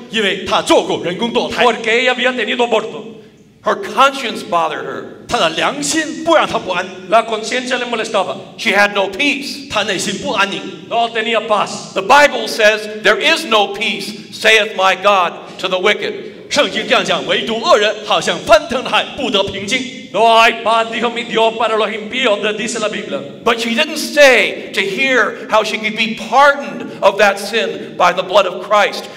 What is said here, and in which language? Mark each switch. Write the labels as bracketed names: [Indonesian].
[Chinese] 因为她做过人工堕胎。 [Spanish] Porque ella había tenido aborto. [English] Her conscience bothered her. [Chinese] 她的良心不让她不安。 [Spanish] La conciencia le molestaba. [English] She had no peace. [Chinese] 她内心不安宁。 [Spanish] No tenía paz. [English] The Bible says, "There is no peace, saith my God, to the wicked." [Chinese] 圣经这样讲，唯独恶人好像翻腾的海，不得平静。 [Spanish] No hay paz, dijo mi Dios, para los impíos, dice la Biblia. [English] But she didn't stay to hear how she could be pardoned of that sin by the blood of Christ.